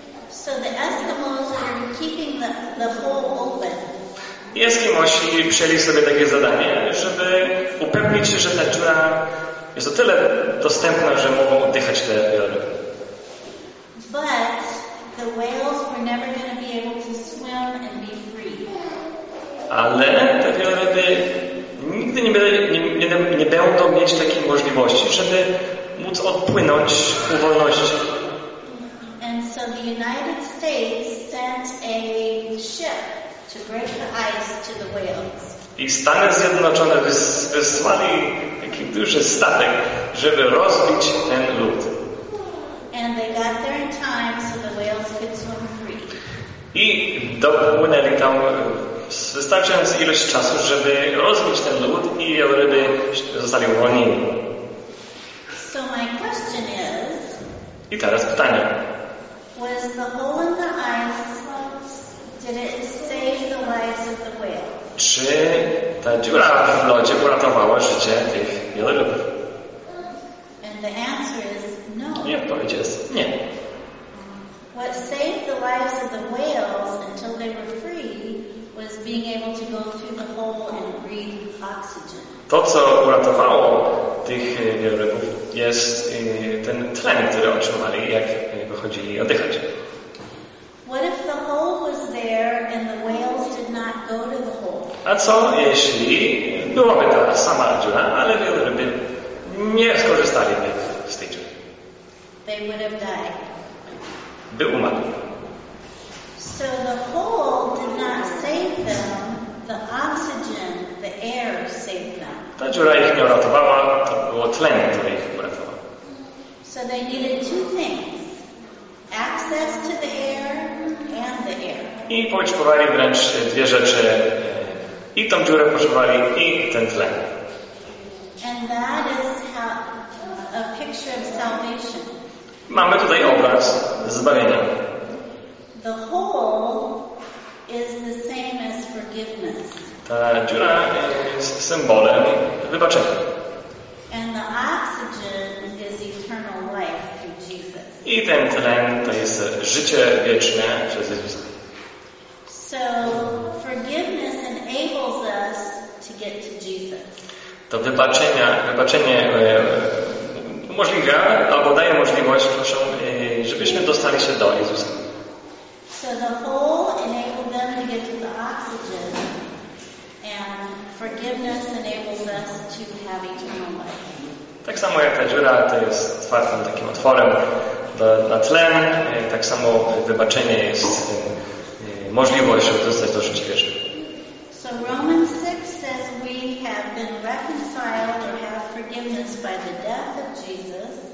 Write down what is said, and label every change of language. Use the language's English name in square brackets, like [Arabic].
[English] So the Eskimos are keeping the hole open. [Polish] I Eskimosi przyjęli sobie takie zadanie, żeby upewnić się, że ta dziura jest o tyle dostępna, że mogą oddychać te wiory. [English] But the whales were never going to be able to swim and be free. [Polish] Ale te wioryby nigdy nie będą mieć takiej możliwości, żeby móc odpłynąć w wolności. [English] And so the United States sent a ship to break the ice to the whales. [Polish] I Stany Zjednoczone wysłali taki duży statek, żeby rozbić ten lód. [English] And they got there in time so the whales could swim free. [Polish] I dopłynęli tam wystarczająca ilość czasu, żeby rozbić ten lód i ryby zostali uwolnieni. [English] So my question is, [Polish] i teraz pytanie. [English] Was the hole in the ice, did it save the lives of the whales? [Polish] Czy ta dziura w lodzie uratowała życie tych wielorybów? [English] And the answer is no. [Polish] I odpowiedź jest nie. [English] What saved the lives of the whales until they were free was being able to go through the hole and breathe oxygen. [Polish] To, co uratowało tych wielorybów, jest ten tlen, który otrzymali, jak wychodzili oddychać. [English] What if the hole was there and the whales did not go to the hole? [Polish] A co jeśli byłaby ta sama dziura, ale wieloryby nie skorzystaliby z tej dziury? [English] They would have died. [Polish] By umarli. [English] So the hole did not save them, the oxygen, the air saved them. [Polish] Ta dziura ich nie uratowała, to było tlen, który ich uratował. [English] So they needed two things. Access to the air and the air. [Polish] I potrzebowali wręcz dwie rzeczy. I tą dziurę potrzebowali i ten tlen. [English] And that is how, a picture of salvation. [Polish] Mamy tutaj obraz zbawienia. [English] The hole is the same as forgiveness. [Polish] Ta dziura jest symbolem wybaczenia. [English] And the oxygen is eternal life through Jesus. [Polish] I ten tlen to jest życie wieczne przez Jezusa. [English] So forgiveness enables us to get to Jesus. [Polish] To wybaczenie umożliwia albo daje możliwość, proszę, żebyśmy dostali się do Jezusa. [English] So the hole enabled them to get to the oxygen, and forgiveness enables us to have eternal life. [Polish] Tak samo jak ta dziura, to jest otwartym takim otworem na tlen, tak samo wybaczenie jest możliwość, żeby dostać do życia wiecznego. [English] So Romans 6 says we have been reconciled or have forgiveness by the death of Jesus.